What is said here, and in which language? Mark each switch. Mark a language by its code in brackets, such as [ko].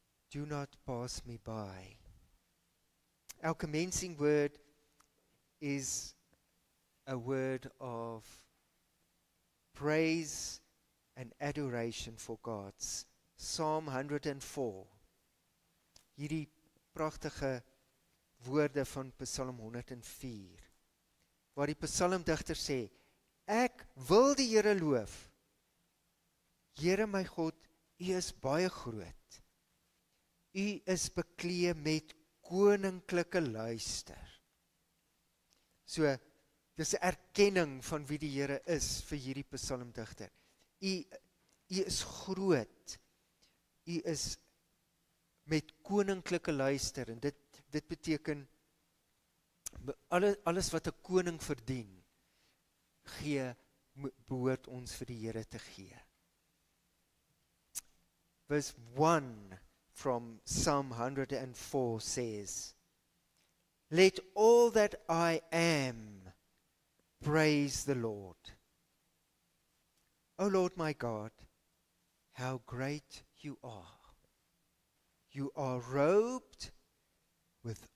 [en] Do not pass me by. Our commencing word is a word of praise and adoration for God's Psalm 104. [af] Hierdie pragtige woorde van Psalm 104, waar die psalmdigter sê, ek wil die Here loof. Here my God, U is baie groot. U is beklee met koninklike luister. So, dis 'n erkenning van wie die Here is vir hierdie psalmdigter. U is groot. U is met koninklike luister, en dit beteken, alles wat 'n koning verdien, behoort ons vir die Here te gee. [en] Verse 1 from Psalm 104 says, let all that I am praise the Lord. O Lord my God, how great you are. You are robed with